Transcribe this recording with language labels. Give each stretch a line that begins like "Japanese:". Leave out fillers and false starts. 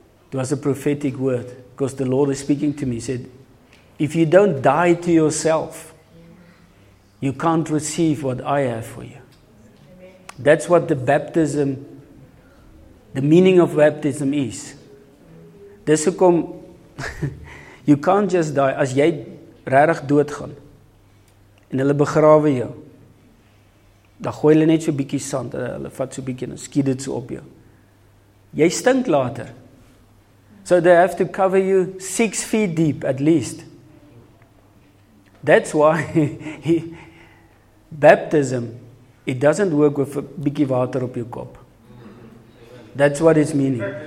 English: It was a prophetic word, because the Lord is speaking to me. He said, if you don't die to yourself, you can't receive what I have for you. That's what the baptism, the meaning of baptism is.
Afrikaans: Dis hoekom,
English: you can't just die.
Afrikaans: As jy regtig doodgaan, en hulle begrawe jou, dan gooi hulle net so bietjie sand, hulle vat so bietjie en skiet dit so op jou. Jy stink later.
English: So they have to cover you 6 feet deep at least. That's why baptism, it doesn't work with a
Afrikaans: bietjie water op jou kop.
English: That's what it's meaning.